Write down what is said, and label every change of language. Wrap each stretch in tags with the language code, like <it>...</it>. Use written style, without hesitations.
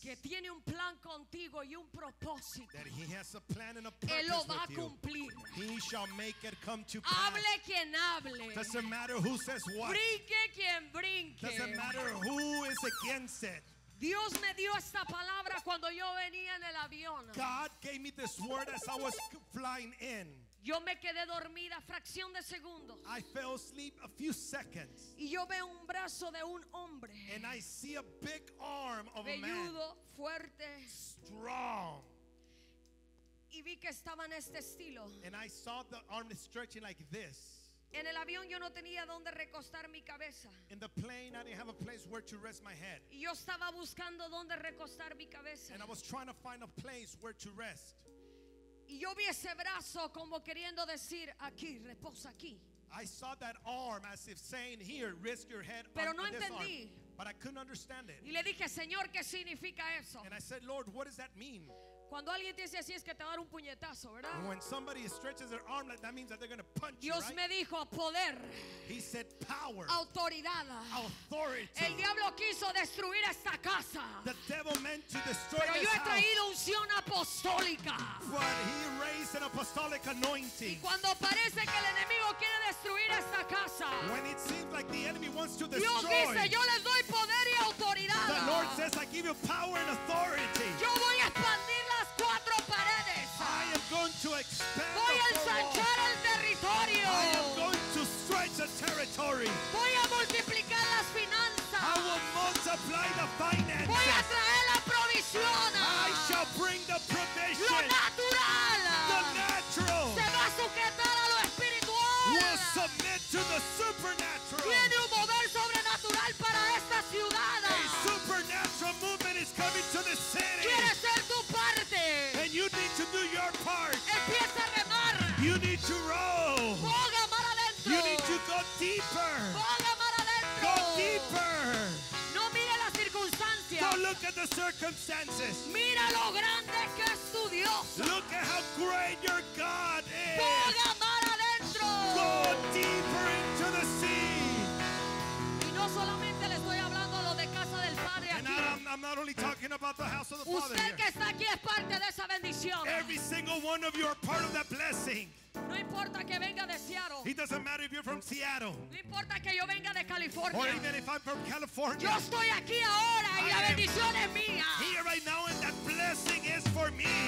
<es>que tiene un plan contigo y un propósito,</es> <en>that he has a plan and a purpose,</en> <es>él lo va a cumplir.</es> <en>He shall make it come to pass.</en> <es>Hable quien hable.</es> <en>Doesn't matter who says what.</en> <es>Brinque quien brinque.</es> <en>Doesn't matter who is against it.</en> <es>Dios me dio esta palabra cuando yo venía en el avión.</es> <en>God gave me this word as I was flying in.</en> <es>Yo me quedé dormida fracción de segundos.</es> <en>I fell asleep a few seconds.</en> <es>Y yo veo un brazo de un hombre.</es> <en>And I see a big arm of</en> <es>velludo,</es> <en>a man.</en> <es>Fuerte.</es> <en>Strong.</en> <es>Y vi que estaba en este estilo.</es> <en>And I saw the arm stretching like this.</en> <es>En el avión yo no tenía dónde recostar mi cabeza.</es> <en>In the plane I didn't have a place where to rest my head.</en> <es>Y yo estaba buscando dónde recostar mi cabeza.</es> <en>And I was trying to find a place where to rest.</en> <es>Y yo vi ese brazo como queriendo decir, aquí, reposa aquí.</es> <en>I saw that arm as if saying, here, rest your head.</en> <es>Pero</es> <en>on</en> <es>no entendí.</es> <en>This arm. But I couldn't understand it.</en> <es>Y le dije, Señor, ¿qué significa eso?</es> <en>And I said, Lord, what does that mean?</en> <es>Cuando alguien te dice así es que te va a dar un puñetazo, ¿verdad?</es> <en>When somebody stretches their arm like that means that they're going to punch you, right?</en> <es>Dios me dijo poder.</es> <en>He said power.</en> <es>Autoridad.</es> <en>Authority.</en> <es>El diablo quiso destruir esta casa.</es> <en>The devil meant to destroy this</en> <es>Pero yo he traído unción apostólica.</es> <en>But he raised an apostolic anointing.</en> <es>Y cuando parece que el enemigo quiere destruir esta casa.</es> <en>When it seems like the enemy wants to destroy.</en> <es>Dios dice, yo les doy poder y autoridad.</es> <en>The Lord says, I give you power and authority.</en> <es>Yo voy a expandir cuatro paredes.</es> <en>I am going to expand.</en> <es>Voy a ensanchar el territorio.</es> <en>I am going to stretch the territory.</en> <es>Voy a multiplicar las finanzas.</es> <en>I will multiply the finances.</en> <es>Voy a traer la provisión.</es> <en>I shall bring the provision.</en> <es>Lo natural.</es> <en>The natural.</en> <es>Se va a sujetar a lo espiritual.</es> <en>Will submit to the supernatural.</en> <es>Viene un mover sobrenatural para esta ciudad.</es> <en>A supernatural movement is coming to the city.</en> <es>¿Quieres ser tu parte?</es> <en>And you need to do your part.</en> <es>Empieza a remar.</es> <en>You need to row.</en> <es>Boga mar adentro.</es> <en>You need to go deeper.</en> <es>Boga mar adentro.</es> <en>Go deeper.</en> <es>No mire las circunstancias.</es> <en>Don't look at the circumstances.</en> <es>Mira lo grande que es tu Dios.</es> <en>Look at how great your God is.</en> <es>Boga mar adentro.</es> <en>Go deeper into the sea.</en> <es>Y no solamente le estoy hablando a lo de casa del Padre.</es> <en>I'm not only talking about the house of the</en> <es>usted</es> <en>Father.</en> <es>Que está aquí es parte de esa bendición.</es> <en>Every single one of you are part of that blessing.</en> <es>No importa que venga de Seattle.</es> <en>It doesn't matter if you're from Seattle.</en> <es>No importa que yo venga de California.</es> <en>Or even if I'm from California.</en> <es>Yo estoy aquí ahora y la bendición es mía.</es> <en>Here right now and that blessing is for me.</en>